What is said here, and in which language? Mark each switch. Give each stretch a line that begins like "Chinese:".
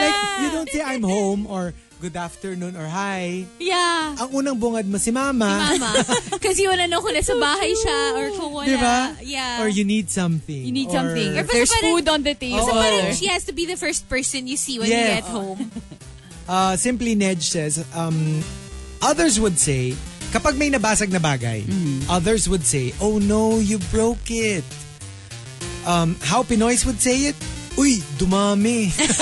English: Like, you don't say I'm home or good afternoon or hi. Yeah.
Filipino: Ang unang bungad mo si Mama. Kasi yun ano kung nasa bahay siya or kung wala. Diba?
English: Yeah. Or you need something. You need something. Or there's food on the table. So parang she has to be the first person you see when you get home. Simply Nedge says, others would say,
Filipino: kapag may nabasag na bagay,
English: others would say, oh no, you broke it. How Pinoys would say it,
Filipino: uy, dumami.